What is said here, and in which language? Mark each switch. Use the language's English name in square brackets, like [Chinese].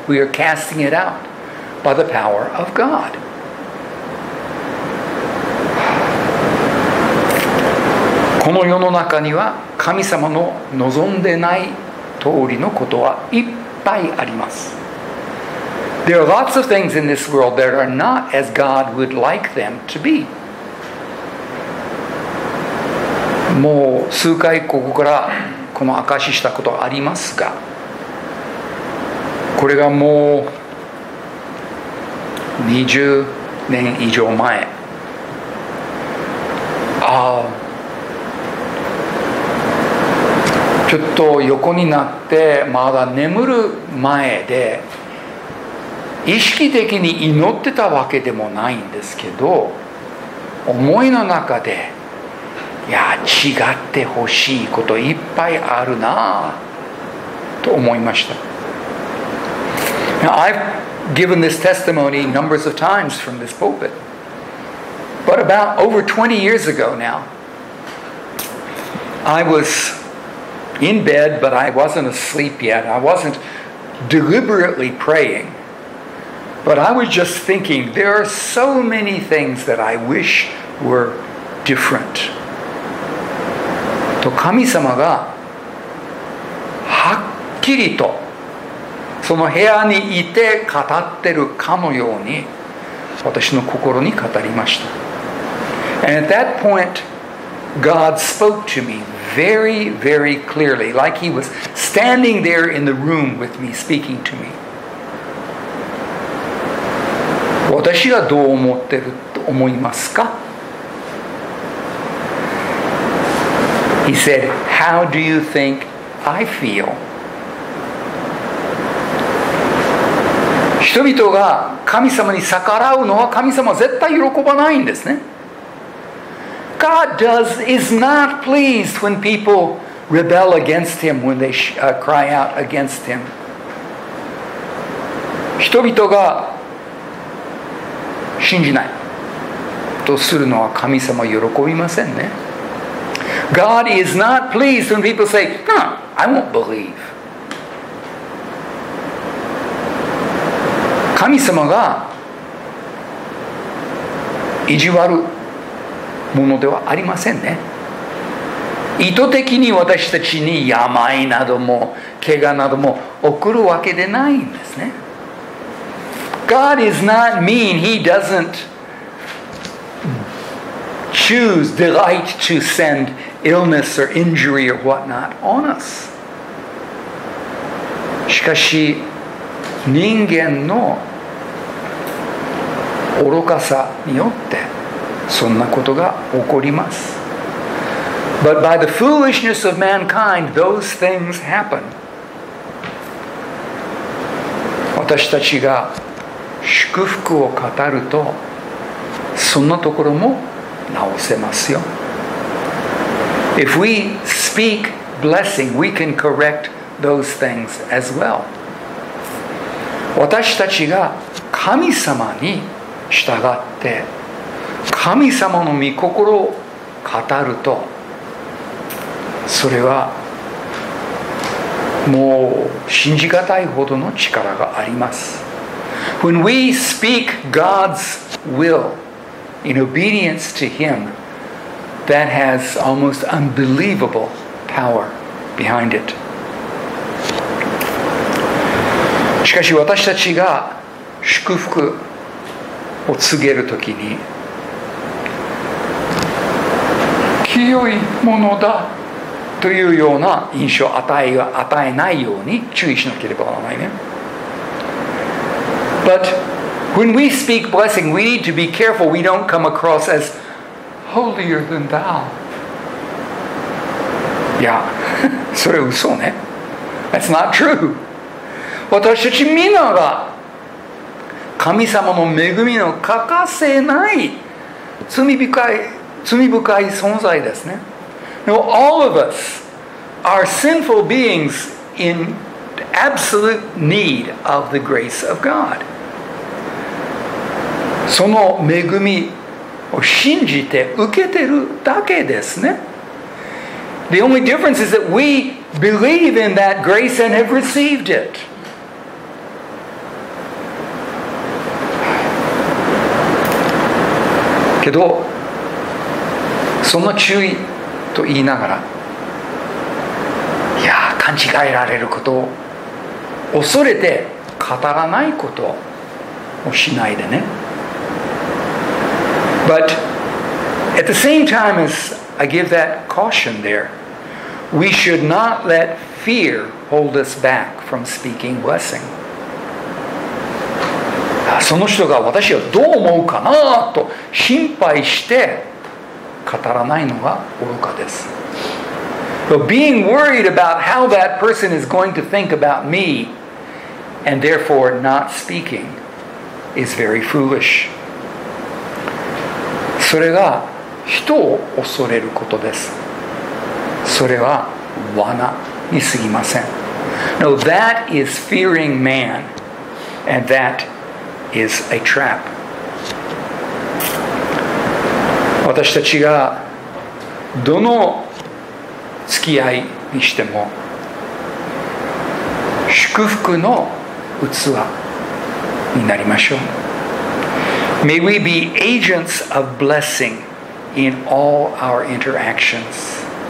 [English] We are casting it out by the power of God. [Japanese] この世の中には神様の望んでない通りのことはいっぱいあります。 [English] There are lots of things in this world that are not as God would like them to be. [Japanese] もう数回ここからこの証ししたことありますが、これがもう20年以上前。ちょっと横になってまだ眠る前で意識的に祈ってたわけでもないんですけど、思いの中でいや違ってほしいこといっぱいあるなと思いました。 [English] Now, I've given this testimony numbers of times from this pulpit, but about over 20 years ago now, I wasin bed, but I wasn't asleep yet. I wasn't deliberately praying, but I was just thinking, there are so many things that I wish were different. [Japanese] と神様がはっきりとその部屋にいて語ってるかのように私の心に語りました。 [English] And at that point, God spoke to meVery, very clearly, like he was standing there in the room with me, speaking to me. [Japanese] 私がどう思ってると思いますか? [English] He said, "How do you think I feel?" [Japanese] 人々が神様に逆らうのは神様は絶対喜ばないんですね。 [English] God is not pleased when people rebel against him, when they cry out against him. [Japanese] 人々が信じないとするのは神様喜びませんね。 [English] God is not pleased when people say, "No, I won't believe." [Japanese] 神様が意地悪ものではありませんね。意図的に私たちに病なども怪我なども送るわけでないんですね。 [English] God is not mean. He doesn't choose, delight to send illness or injury or whatnot on us. [Japanese] しかし人間の愚かさによってそんなことが起こります。 [English] But by the foolishness of mankind, those things happen. [Japanese] 私たちが祝福を語ると、そんなところも直せますよ。 [English] If we speak blessing, we can correct those things as well. [Japanese] 私たちが神様に従って神様の御心を語るとそれはもう信じがたいほどの力があります。 [English] When we speak God's will in obedience to Him, that has almost unbelievable power behind it. [Japanese] しかし私たちが祝福を告げるときに強いものだというような印象を与えないように注意しなければならないね。 [English] But when we speak blessing, we need to be careful we don't come across as holier than thou. [Japanese] いや、それ嘘ね。 [English] That's not true. [Japanese] 私たち皆が神様の恵みの欠かせない罪深い存在ですね。 [English] Now, all of us are sinful beings in absolute need of the grace of God. [Japanese] その恵みを信じて受けてるだけですね。 [English] The only difference is that we believe in that grace and have received it. [Japanese] けど、そんな注意と言いながら、いや、勘違えられることを恐れて語らないことをしないでね。 [English] But at the same time as I give that caution there, we should not let fear hold us back from speaking blessing. [Japanese] その人が私をどう思うかなと心配して語らないのが愚かです。 [English] But being worried about how that person is going to think about me and therefore not speaking is very foolish. [Japanese] それが人を恐れることです。それは罠にすぎません。 [English] Now that is fearing man, and that is a trap. [Japanese] 私たちがどの付き合いにしても祝福の器になりましょう。 [English] May we be agents of blessing in all our interactions.